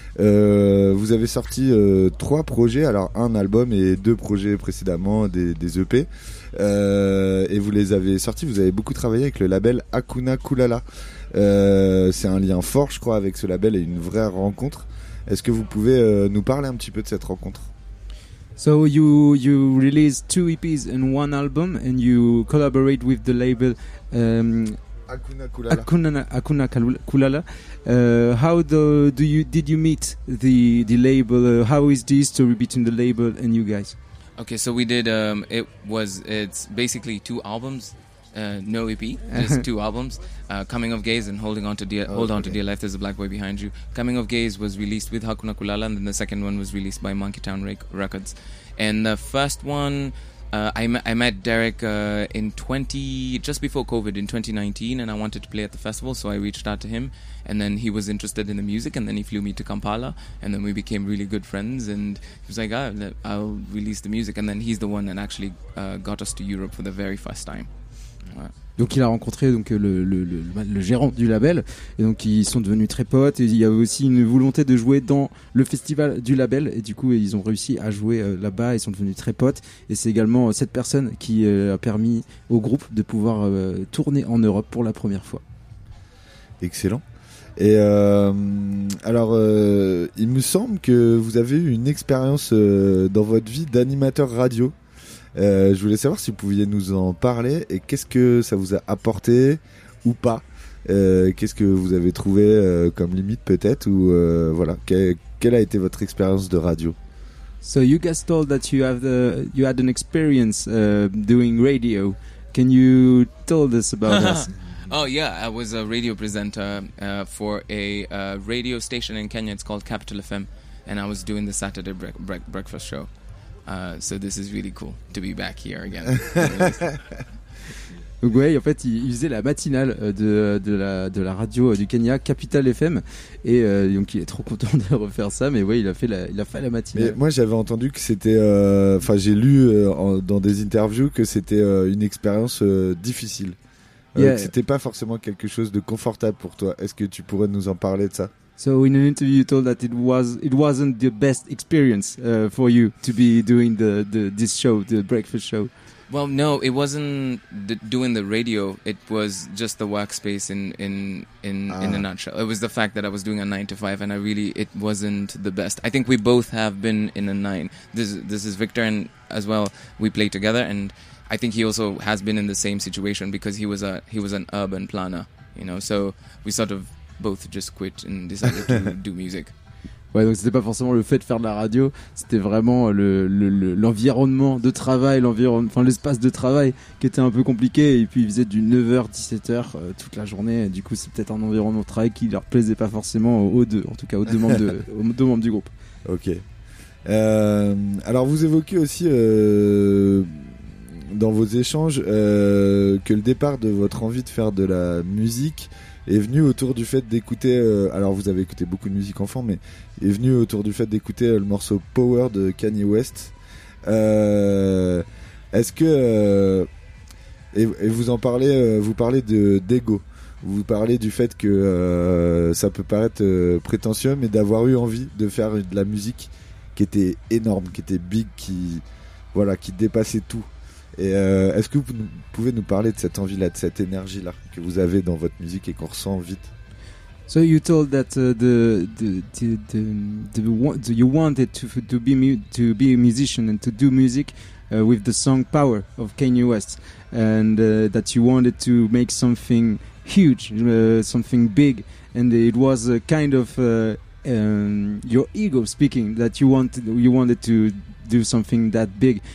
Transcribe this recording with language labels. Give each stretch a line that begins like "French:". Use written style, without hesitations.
French: Vous avez sorti 3 projets, alors un album et 2 projets précédemment, des EP. Et vous les avez sortis, vous avez beaucoup travaillé avec le label Hakuna Kulala. C'est un lien fort, je crois, avec ce label et une vraie rencontre. Est-ce que vous pouvez nous parler un petit peu de cette rencontre?
English: So you released 2 EPs and 1 album, and you collaborate with the label Hakuna Kulala. How did you meet the label? How is the history between the label and you guys? Okay, so we did. It's basically two albums, no EP, just two albums. Coming of Gaze and Holding On to Dear. Hold on to Dear Life. There's a Black Boy Behind You. Coming of Gaze was released with Hakuna Kulala, and then the second one was released by Monkey Town Records. And the first one, I met Derek just before COVID in 2019, and I wanted to play at the festival, so I reached out to him, and then he was interested in the music, and then he flew me to Kampala, and then we became really good friends, and he was like, oh, I'll release the music, and then he's the one that actually got us to Europe for the very first time.
French: Donc il a rencontré donc le gérant du label et donc ils sont devenus très potes et il y avait aussi une volonté de jouer dans le festival du label et du coup ils ont réussi à jouer là-bas et sont devenus très potes et c'est également cette personne qui a permis au groupe de pouvoir tourner en Europe pour la première fois. Excellent. Et il me semble que vous avez eu une expérience dans votre vie d'animateur radio. Je voulais savoir si vous pouviez nous en parler et qu'est-ce que ça vous a apporté ou pas. Qu'est-ce que vous avez trouvé comme limite peut-être ou voilà. Quelle a été votre expérience de radio?
English: So you guys told that you had an experience doing radio. Can you tell us about this? Oh yeah, I was a radio presenter for a radio station in Kenya. It's called Capital FM, and I was doing the Saturday breakfast show. So this is really cool to be back here again.
French: Donc ouais, en fait, il faisait la matinale de la radio du Kenya, Capital FM, et donc il est trop content de refaire ça. Mais ouais, il a fait la matinale. Mais moi, j'avais entendu que c'était, enfin, j'ai lu dans des interviews que c'était une expérience difficile. Yeah. C'était pas forcément quelque chose de confortable pour toi. Est-ce que tu pourrais nous en parler de ça?
English: So in an interview, you told that it wasn't the best experience for you to be doing this show, the breakfast show. Well, no, it wasn't doing the radio. It was just the workspace in a nutshell. It was the fact that I was doing a 9-to-5, and it wasn't the best. I think we both have been in a 9. This is Victor, and as well, we play together, and I think he also has been in the same situation because he was an urban planner, you know. So we sort of both just quit and decided to do music.
French: Ouais, donc c'était pas forcément le fait de faire de la radio, c'était vraiment l'environnement de travail, l'espace de travail qui était un peu compliqué. Et puis ils faisaient du 9h, 17h toute la journée. Et du coup, c'est peut-être un environnement de travail qui leur plaisait pas forcément aux deux membres du groupe. Ok. Alors, vous évoquez aussi dans vos échanges que le départ de votre envie de faire de la musique est venu autour du fait d'écouter alors vous avez écouté beaucoup de musique enfant, mais est venu autour du fait d'écouter le morceau Power de Kanye West. Est-ce que vous en parlez, vous parlez d'ego, vous parlez du fait que ça peut paraître prétentieux, mais d'avoir eu envie de faire de la musique qui était énorme, qui était big, qui dépassait tout. Et est-ce que vous pouvez nous parler de cette envie-là, de cette énergie-là que vous avez dans votre musique et qu'on ressent vite?
English: So you told that you wanted to be a musician and to do music with the song Power of Kanye West, and that you wanted to make something huge, something big, and it was a kind of your ego speaking that you wanted to do something that big.